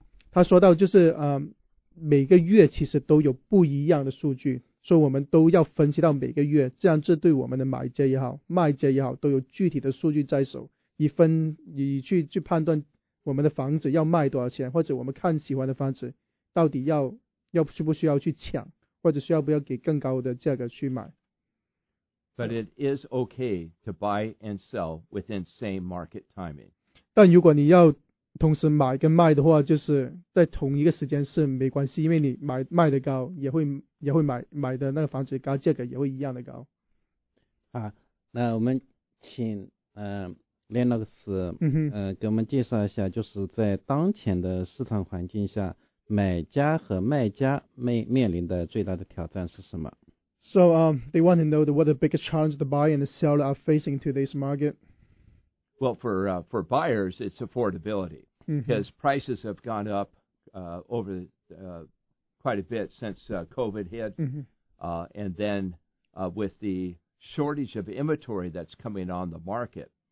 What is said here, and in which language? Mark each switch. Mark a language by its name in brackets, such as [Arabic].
[Chinese] 他说到就是每个月其实都有不一样的数据，所以我们都要分析到每个月，这样这对我们的买家也好卖家也好都有具体的数据在手，以去判断我们的房子要卖多少钱，或者我们看喜欢的房子到底要需不需要去抢，或者需要不要给更高的价格去买。 [English] But it is okay to buy and sell within same market timing. [Chinese] 但如果你要同时买跟卖的话，就是在同一个时间是没关系，因为你卖的高，也会买的那个房子高，价格也会一样的高。啊，那我们请Lennox 给我们介绍一下，就是在当前的市场环境下，买家和卖家面临的最大的挑战是什么？ [English] So they want to know what the biggest challenge the buyer and the seller are facing in today's market. Well, for buyers, it's affordability because mm-hmm. prices have gone up quite a bit since COVID hit. Mm-hmm. And then with the shortage of inventory that's coming on the market.